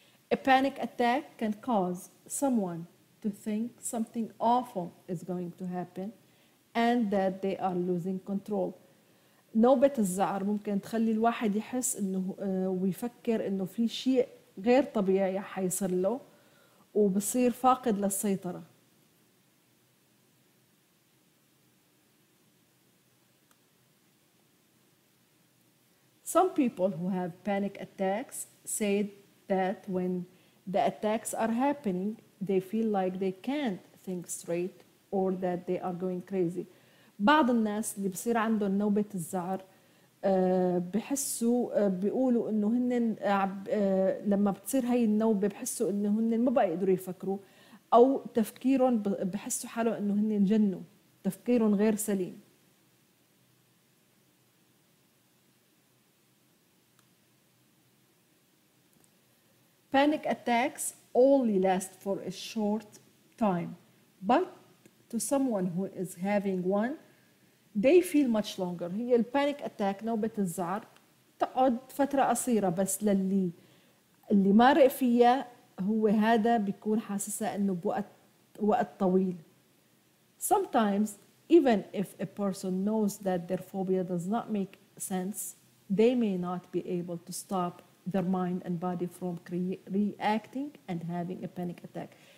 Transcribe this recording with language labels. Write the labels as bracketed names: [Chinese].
[English] A panic attack can cause someone to think something awful is going to happen and that they are losing control. [Arabic] نوبة الزعر ممكن تخلي الواحد يحس انه ويفكر انه في شيء غير طبيعي حيصير له وبصير فاقد للسيطرة. [English] Some people who have panic attacks say that when the attacks are happening, they feel like they can't think straight or that they are going crazy. [Arabic] بعض الناس اللي بصير عندهم نوبة الزعر بحسوا بيقولوا انه هن لما بتصير هاي النوبة بحسوا انه هن ما بقى يقدروا يفكروا او تفكيرهم بحسوا حاله انه هن جنوا, تفكيرهم غير سليم. [English] Panic attacks only last for a short time, but to someone who is having one, they feel much longer. [Arabic] هي البانيك اتاك نوبة الزعر تقعد فترة قصيرة, بس للي مارق فيها هو هذا بيكون حاسسة انه بوقت طويل. [English] Sometimes, even if a person knows that their phobia does not make sense, they may not be able to stop their mind and body from reacting and having a panic attack.